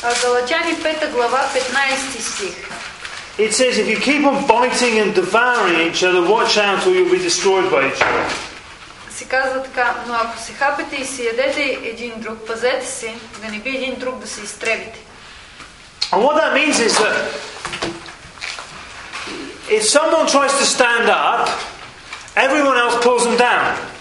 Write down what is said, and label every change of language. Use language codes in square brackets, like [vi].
[bg] Galatians 5, глава 15 стих. [en] It says, if you keep on biting and devouring each other, watch out or you'll be destroyed by each other. [bg] Се казва така, но ако се хапете и се ядете един друг, пазете се, да не би един друг да се изтребите. [en] And what that means is that if someone tries to stand up, everyone else pulls them down.